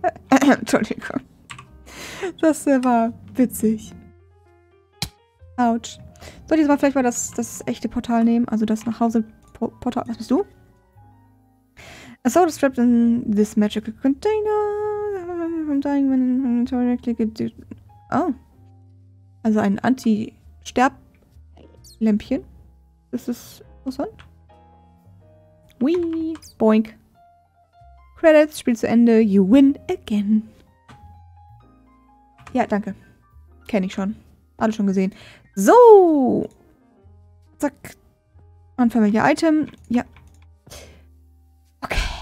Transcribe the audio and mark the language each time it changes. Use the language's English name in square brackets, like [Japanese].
[German] Entschuldigung. Das war witzig. Autsch. Soll ich jetzt mal vielleicht mal das echte Portal nehmen? Also das Nachhause-Portal. Was bist du? [English] A soul is trapped in this magical container. I'm dying when I'm directly getting... Oh. [German] Also ein Anti-Sterb-Lämpchen. Ist das interessant? Wee. Boink. Credits, Spiel zu Ende. [English] You win again. [German] Ja, danke. Kenn ich schon. Alle schon gesehen. So. Zack. Unfamiliar Item. Ja. Okay.